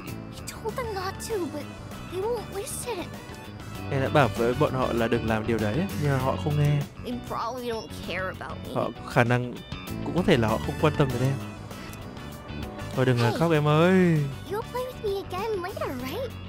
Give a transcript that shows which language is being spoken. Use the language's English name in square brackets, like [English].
[English] I told them not to, but they won't listen. [Vietnamese] Em đã bảo với bọn họ là đừng làm điều đấy, nhưng mà họ không nghe. [English] They probably don't care about me. [Vietnamese] Họ khả năng cũng có thể là họ không quan tâm đến em. Thôi đừng hey, khóc em ơi. [English] You'll play with me again later, right?